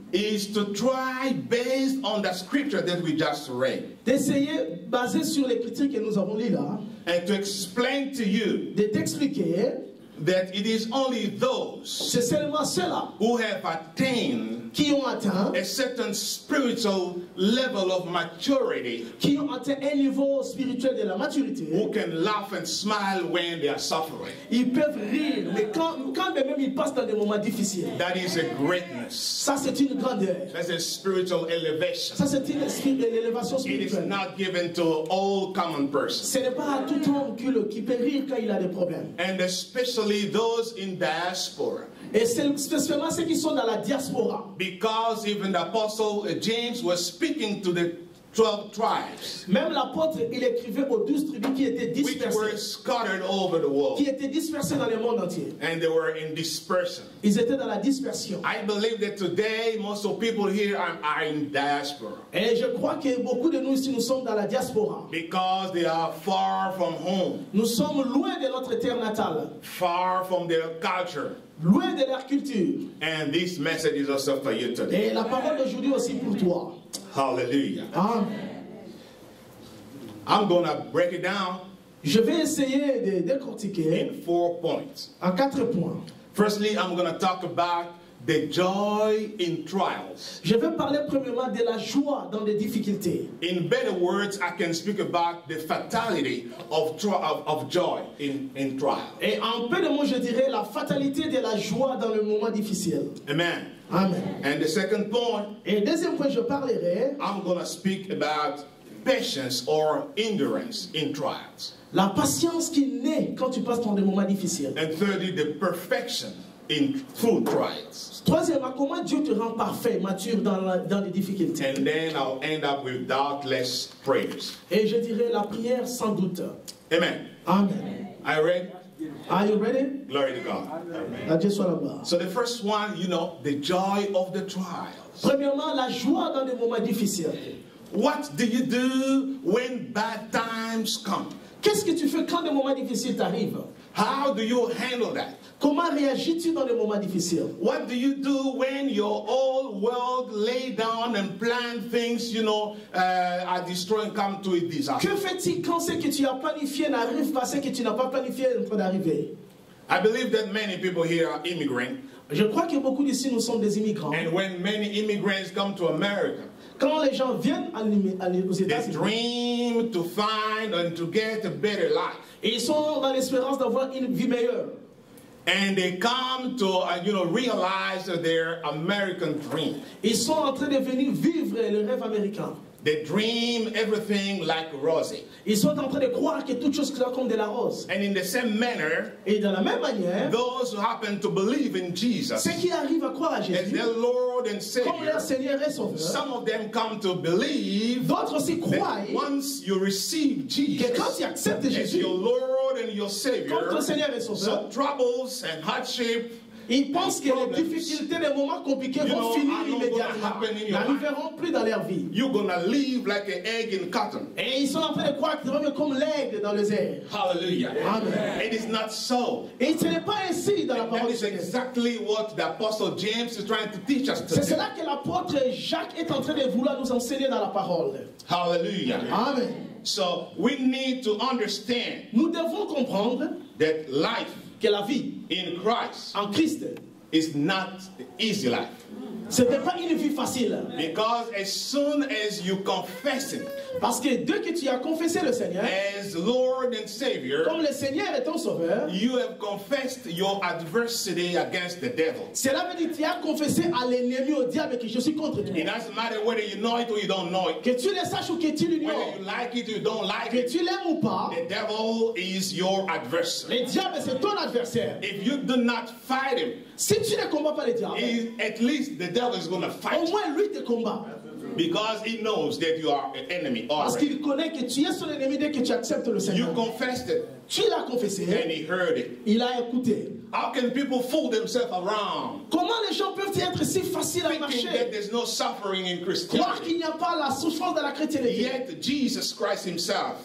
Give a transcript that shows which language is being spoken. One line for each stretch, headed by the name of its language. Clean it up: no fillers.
English: is to try based on the scripture that we just read.
French: D'essayer basé sur l'écriture que nous avons lu là,
English: and to explain to you,
French: de t'expliquer,
English: that it is only those,
French: c'est seulement ceux-là,
English: who have attained,
French: qui ont atteint,
English: a certain spiritual level of maturity,
French: qui ont atteint un niveau spirituel de la maturité,
English: who can laugh and smile when they are suffering.
French: Ils peuvent rire, mais quand même ils passent dans des moments difficiles.
English: That is a greatness.
French: Ça c'est une grandeur.
English: That's a spiritual elevation.
French: Ça c'est une élévation spirituelle.
English: It is not given to all common persons.
French: Ce n'est pas à tout homme culot qui peut rire quand il a des problèmes.
English: And especially those in diaspora.
French: Et c'est spécialement ceux qui sont dans la diaspora.
English: Because even the apostle James was speaking to the 12 tribes.
French: Même l'apôtre, il écrivait aux 12 tribus qui étaient dispersées.
English: Which were scattered over the world.
French: Qui étaient dispersées dans le monde entier.
English: And they were in dispersion.
French: Ils étaient dans la dispersion.
English: I believe that today most of people here are in diaspora.
French: Et je crois que beaucoup de nous ici nous sommes dans la diaspora.
English: Because they are far from home.
French: Nous sommes loin de notre terre natale.
English: Far from their culture.
French: Loin de leur culture.
English: And this message is also for you today.
French: Et la parole d'aujourd'hui aussi pour toi.
English: Hallelujah.
French: Amen.
English: I'm going to break it down.
French: Je vais essayer de décortiquer.
English: In 4 points.
French: En 4 points.
English: Firstly, I'm going to talk about the joy in trials.
French: Je vais parler premièrement de la joie dans les difficultés.
English: In better words, I can speak about the fatality of joy in trials.
French: Et en peu de mots, je dirais la fatalité de la joie dans le moment difficile.
English: Amen.
French: Amen.
English: And the second point,
French: et deuxième point, je parlerai,
English: I'm going to speak about patience or endurance in trials.
French: La patience qui naît quand tu passes dans des moments difficiles.
English: And thirdly, the perfection in full trials.
French: Troisièmement, comment Dieu te rend parfait, mature dans les difficultés.
English: And then I'll end up with doubtless prayers.
French: Et je dirai la prière sans doute.
English: Amen.
French: Amen.
English: Are you ready? Are you ready? Glory to God.
French: Amen.
English: So the first one, the joy of the trials.
French: Premièrement, la joie dans les moments difficiles.
English: What do you do when bad times come?
French: Qu'est-ce que tu fais quand les moments difficiles t'arrivent?
English: How do you handle that?
French: Comment réagis-tu dans les moments difficiles?
English: What do you do when your old world lay down and plan things, are destroying, come to a disaster?
French: Que fais-tu quand ce que tu as planifié n'arrive pas, ce que tu n'as pas planifié est en train d'arriver?
English: I believe that many people here are immigrants.
French: Je crois que beaucoup d'ici nous sommes des immigrants.
English: And when many immigrants come to America,
French: quand les gens viennent aux États-Unis,
English: they dream to find and to get a better life.
French: Ils sont dans l'espérance d'avoir une vie meilleure.
English: And they come to realize their American dream.
French: Ils sont en train de venir vivre le rêve américain.
English: They dream everything like rosy.
French: Ils sont en train de croire que toute chose comme de la rose.
English: And in the same manner,
French: et dans la même manière,
English: those who happen to believe in Jesus,
French: ceux qui arrivent à croire à Jésus,
English: their Lord and Savior,
French: comme leur Seigneur et Sauveur,
English: some of them come to believe,
French: d'autres aussi croient,
English: once you receive Jesus,
French: que quand tu acceptes
English: as
French: Jésus,
English: your Lord and your Savior,
French: comme ton Seigneur et Sauveur,
English: some troubles and hardship,
French: ils pensent que les difficultés, les moments compliqués vont finir immédiatement. Ils n'arriveront plus dans leur vie.
English: You're gonna live like an egg in cotton.
French: Et ils sont en train de croire qu'ils vont vivre comme l'aigle dans les airs.
English: Hallelujah.
French: Amen.
English: It is not so.
French: Et ce n'est pas ainsi dans la parole.
English: That is exactly what the apostle James is trying to teach us today.
French: C'est cela que l'apôtre Jacques est en train de vouloir nous enseigner dans la parole.
English: Hallelujah.
French: Amen.
English: So we need to understand.
French: Nous devons comprendre
English: that life,
French: que la vie
English: in Christ,
French: en Christ,
English: is not easy life.
French: C'était pas une vie facile.
English: Because as soon as you confess it,
French: parce que dès que tu as confessé le Seigneur,
English: as Lord and Savior,
French: comme le Seigneur est ton Sauveur,
English: you have confessed your adversity against the devil.
French: Cela veut dire tu as confessé à l'ennemi, au diable, que je suis contre toi.
English: It doesn't matter whether you know it or you don't know it.
French: Que tu le saches ou que tu l'ignores.
English: Whether you like it or you don't like it.
French: Que tu l'aimes ou pas.
English: The devil is your adversary.
French: Le diable c'est ton adversaire.
English: If you do not fight him,
French: Si tu ne combats pas le diable,
English: at least the devil is going to fight.
French: Au moins lui te combat.
English: Because he knows that you are an enemy.
French: Parce qu'il connaît que tu es son ennemi dès que tu acceptes le Seigneur.
English: You confessed it.
French: Tu l'as confessé.
English: And he heard it.
French: Il a écouté.
English: How can people fool themselves around?
French: Comment les gens peuvent être si faciles
English: thinking
French: à marcher?
English: That there's no suffering in Christianity.
French: Croire qu'il n'y a pas la souffrance dans la chrétienté.
English: Yet Jesus Christ Himself.